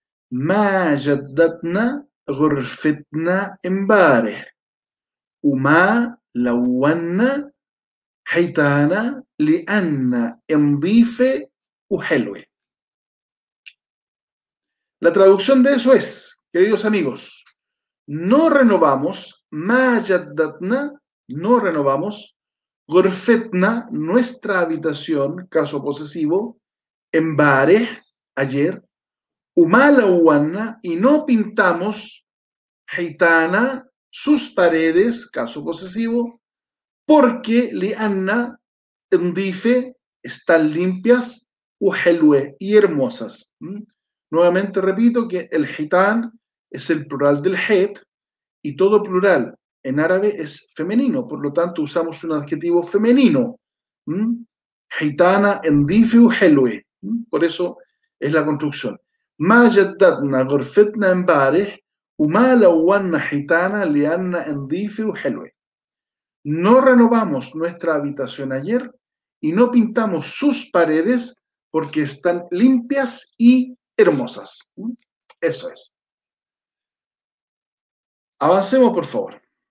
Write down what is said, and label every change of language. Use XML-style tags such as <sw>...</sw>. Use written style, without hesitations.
<ar>ما جددنا غرفتنا امبارح وما لونا حيطانا لأن نظيفة وحلوة.</ar> <es>La traducción de eso es, queridos amigos, no renovamos,</es> <ar>ما جددنا,</ar> <es>no renovamos, غرفتنا, nuestra habitación, caso posesivo, امبارح, ayer, umalawanna, y no pintamos hitana, sus paredes, caso posesivo, porque lianna ndife, están limpias, uhelue, y hermosas. Nuevamente repito que el hitan es el plural del het, y todo plural en árabe es femenino, por lo tanto usamos un adjetivo femenino. Hitana ndife uhelue, por eso es la construcción.</es> <ar>ما جددنا غرفتنا امبارح وما لونا حيطانا لأن نظيفة وحلوة.</ar> <es>No renovamos nuestra habitación ayer y no pintamos sus paredes porque están limpias y hermosas. Eso es. Avancemos, por favor.</es>